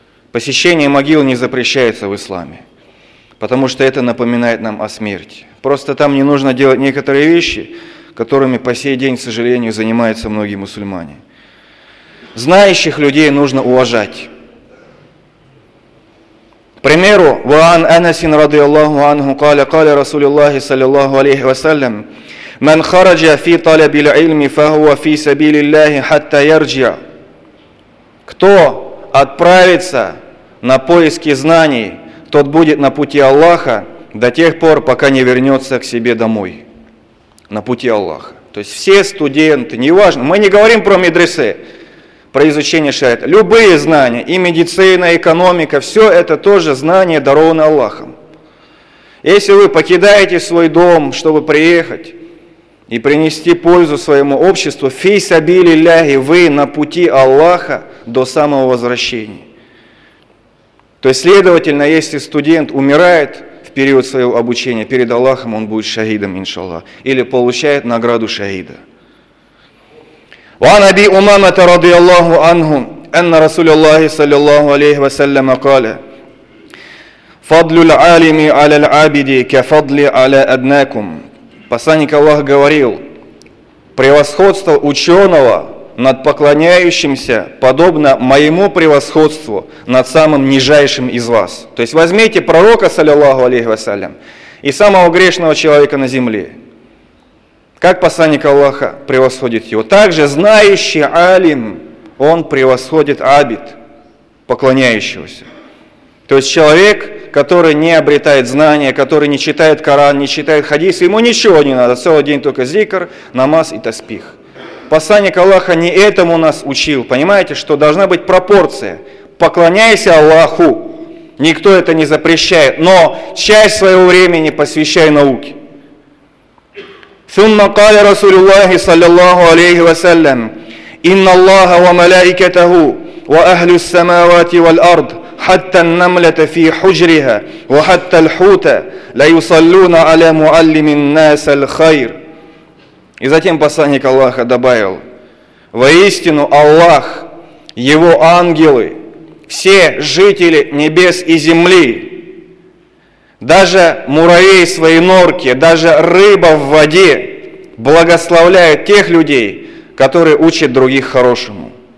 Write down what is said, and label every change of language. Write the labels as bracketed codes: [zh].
[ru] Посещение могил не запрещается в исламе, потому что это напоминает нам о смерти. Просто там не нужно делать некоторые вещи, которыми по сей день, к сожалению, занимаются многие мусульмане. Знающих людей нужно уважать. К примеру, [ar] وعن أنس رضي الله عنه قال قال رسول الله صلى الله عليه وسلم من خرج في طلب العلم فهو في سبيل الله حتى يرجع. [ru] Кто отправится на поиски знаний, тот будет на пути Аллаха до тех пор, пока не вернется к себе домой. На пути Аллаха. То есть все студенты, неважно, мы не говорим про медресе, про изучение шариата. Любые знания, и медицина, и экономика, все это тоже знания, дарованы Аллахом. Если вы покидаете свой дом, чтобы приехать и принести пользу своему обществу, [ar] фи сабили ляхи, [ru] вы на пути Аллаха до самого возвращения. То есть, следовательно, если студент умирает в период своего обучения, перед Аллахом он будет шахидом, иншаллах, или получает награду шахида. [ar] وعن أبي أمامة رضي الله عنه أن رسول الله صلى الله عليه وسلم قال فضل العالم على العابد كفضل على أدناكم. [ru] Посланник Аллаха говорил: превосходство ученого над поклоняющимся подобно моему превосходству над самым нижайшим из вас. То есть возьмите пророка, саллиллаху алейхи вассалям, и самого грешного человека на земле. Как посланник Аллаха превосходит его? Также знающий алим, он превосходит абид, поклоняющегося. То есть человек, который не обретает знания, который не читает Коран, не читает хадисы, ему ничего не надо, целый день только зикр, намаз и тасбих. Посланник Аллаха не этому нас учил, понимаете, что должна быть пропорция. Поклоняйся Аллаху, никто это не запрещает, но часть своего времени посвящай науке. [ar] ثم قال رسول الله صلى الله عليه وسلم إن الله وملائكته وأهل السماوات والأرض حتى النملة في حجرها وحتى الحوت لا يصلون على معلم الناس الخير. [ru] И затем посланник Аллаха добавил: воистину Аллах, его ангелы, все жители небес и земли, даже муравей свои норки, даже рыба в воде благословляет тех людей, которые учат других хорошему.